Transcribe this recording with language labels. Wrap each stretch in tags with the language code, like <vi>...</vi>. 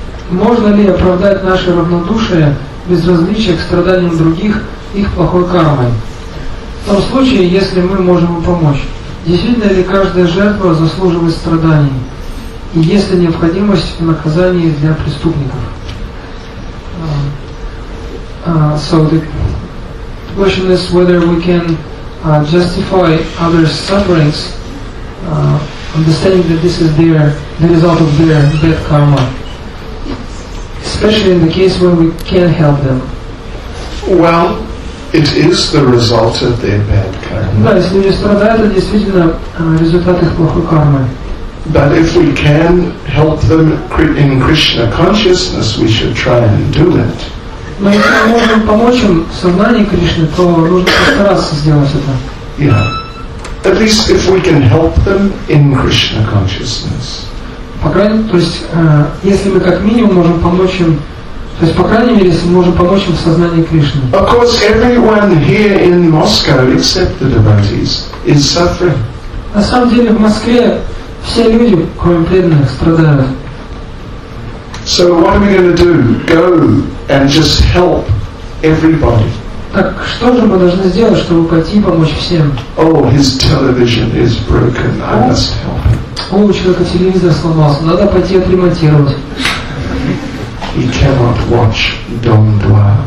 <ru>Можно ли оправдать наше равнодушие, безразличие к страданиям других, их плохой кармой? В том случае, если мы можем им помочь. Действительно ли каждая жертва заслуживает страданий? И есть ли необходимость в наказании для преступников?</ru> <en>So the question is whether we can justify others' sufferings, understanding that this is the result of their bad karma. Especially in the case where we can't help them. Well, it is the result of their bad karma.</en> <ru>Да, если люди страдают, это действительно результат их плохой кармы.</ru> <en>But if we can help them in Krishna consciousness, we should try and do it.</en> <ru>Но если мы можем помочь им в сознании Кришны, то нужно постараться сделать это.</ru> <en>Yeah. At least if we can help them in Krishna consciousness.</en> <ru>По крайней мере, если мы можем помочь им в сознании Кришны.</ru> <en>Of course, everyone here in Moscow, except the devotees, is suffering.</en> <ru>На самом деле, в Москве все люди, кроме преданных, страдают.</ru> <en>So what are we going to do? Go and just help everybody.</en> <ru>Так что же мы должны сделать, чтобы пойти и помочь всем?</ru> <en>Oh, his television is broken. I must help.</en> <ru>О, у человека телевизор сломался. Надо пойти отремонтировать.</ru> <en>He cannot watch Дом 2.</en>